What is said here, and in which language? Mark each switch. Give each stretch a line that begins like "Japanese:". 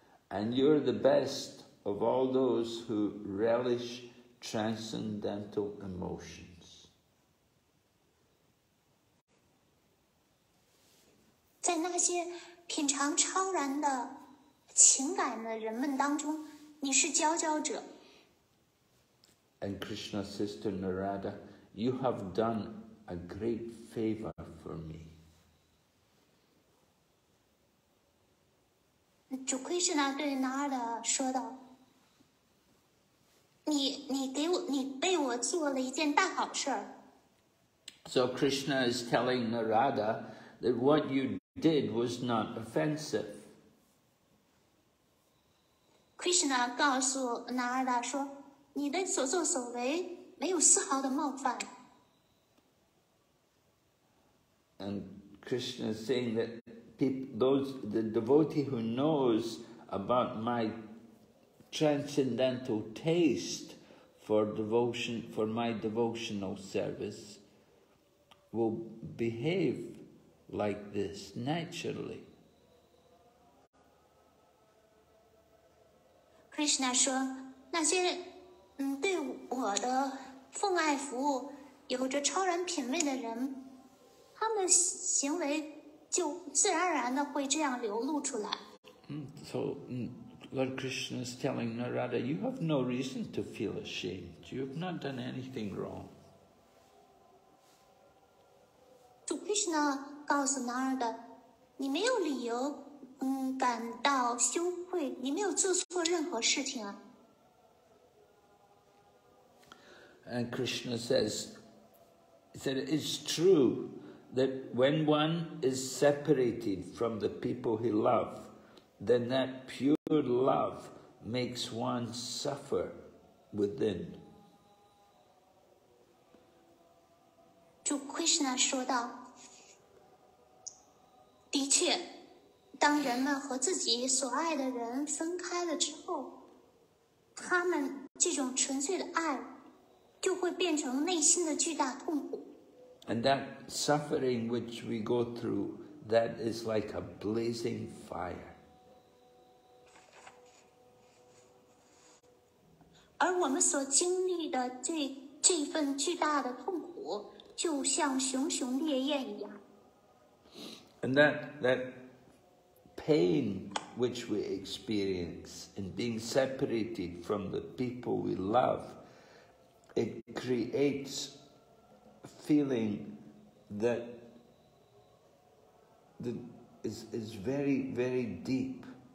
English: And you're the best of all those who relish transcendental emotions.
Chinese: 在那些品尝超然的情感的人们当中，你是佼佼者。
English: And Krishna says to Narada, "You have done a great favor for me."
Chinese: 主 Krishna 对 Narada 说道，你被我做了一件大好事儿。
English: So Krishna is telling Narada that what you did was not offensive.
Chinese: Krishna 告诉 Narada 说，你的所作所为没有丝毫的冒犯。
English: And Krishna is saying that the devotee who knows about my transcendental taste for devotion, for my devotional service, will behave like this naturally.
Chinese: Krishna 说，那些对我的奉爱服务有着超然品味的人，他们行为就自然而然的会这样流露出来。
English: So, Lord Krishna is telling Narada, you have no reason to feel ashamed. You have not done anything wrong.
Chinese: 主 Krishna 告诉 Narada, 你没有理由感到羞愧，你没有做错任何事情啊。
English: And Krishna said, it's true that when one is separated from the people he loves, then that pure love makes one suffer within.
Chinese: 主 Krishna 说道，的确，当人们和自己所爱的人分开了之后，他们这种纯粹的爱就会变成内心的巨大痛苦。
English: And that suffering which we go through, that is like a blazing fire.
Chinese: 而我们所经历的这份巨大的痛苦，就像熊熊烈焰一样。
English: And that pain which we experience in being separated from the people we love, it creates feeling that is very, very deep.